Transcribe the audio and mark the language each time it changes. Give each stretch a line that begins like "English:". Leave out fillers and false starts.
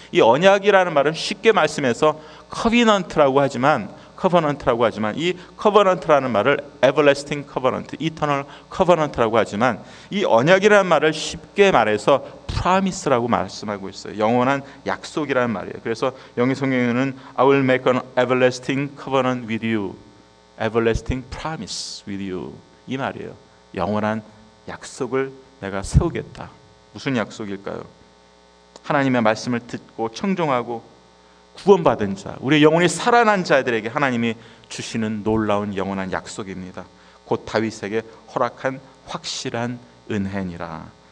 Korean: 이 언약이라는 말은 쉽게 말씀해서 커버넌트라고 하지만 이 커버넌트라는 말을
English: everlasting covenant, eternal covenant
Korean: 라고 하지만 이 언약이라는 말을 쉽게 말해서 promise라고 말씀하고 있어요. 영원한 약속이라는 말이에요. 그래서 영어 성경에는
English: I will make an everlasting covenant with you, everlasting promise with you
Korean: 이 말이에요. 영원한 약속을 내가 세우겠다. 무슨 약속일까요? 하나님의 말씀을 듣고 청종하고 구원받은 자, 우리의 영혼이 살아난 자들에게 하나님이 주시는 놀라운 영원한 약속입니다. 곧 다윗에게 허락한 확실한 은혜니라.